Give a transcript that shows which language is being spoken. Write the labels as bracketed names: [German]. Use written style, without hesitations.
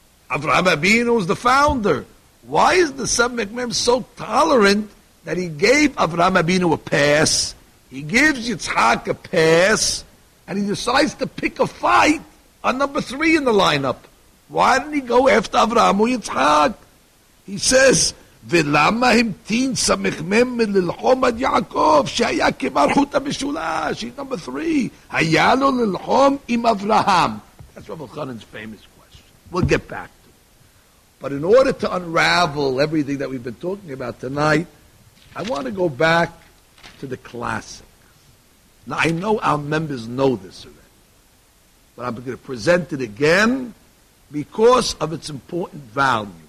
[English] Avraham Avinu is the founder. Why is the Samech Mem so tolerant that he gave Avraham Avinu a pass? He gives Yitzhak a pass, and he decides to pick a fight on number three in the lineup. Why didn't he go after Avraham or Yitzhak? He says, [Hebrew] ולמה המתין סמך מם ללחום עד יעקב שהיה כמלכות המשולש? [English] He's number three. [Hebrew] היה לו ללחום עם אברהם. [English] That's Rav Elchanan's famous question. We'll get back to it. But in order to unravel everything that we've been talking about tonight, I want to go back to the classic. Now, I know our members know this already, but I'm going to present it again because of its important value.